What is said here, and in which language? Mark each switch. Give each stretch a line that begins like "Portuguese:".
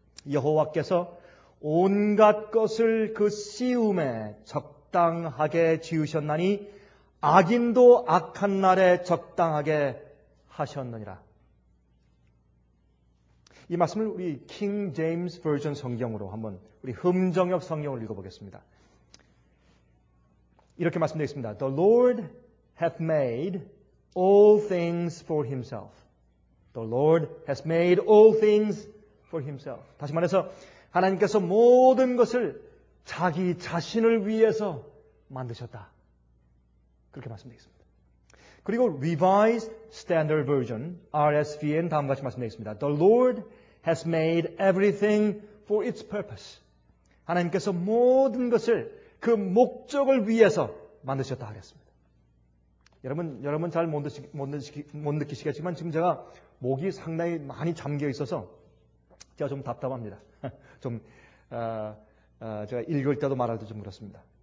Korean: 여호와께서 온갖 것을 그 씨움에 적당하게 지으셨나니 악인도 악한 날에 적당하게 하셨느니라. 이 말씀을 우리 킹 제임스 버전 성경으로 한번 우리 흠정엽 성경을 읽어보겠습니다. 이렇게 말씀드리겠습니다.
English: The Lord hath made all things for himself. The Lord has made all things for himself.
Korean: 다시 말해서 하나님께서 모든 것을 자기 자신을 위해서 만드셨다. 그렇게 말씀드리겠습니다. 그리고 Revised Standard Version, RSV는 다음과 같이 말씀드리겠습니다.
English: The Lord has made everything for its purpose.
Korean: 하나님께서 모든 것을 그 목적을 위해서 만드셨다 하겠습니다. 여러분 잘 못 느끼시겠지만 지금 제가 목이 상당히 많이 잠겨 있어서 제가 좀 답답합니다. 제가 읽을 때도 말할 때도 좀 그렇습니다.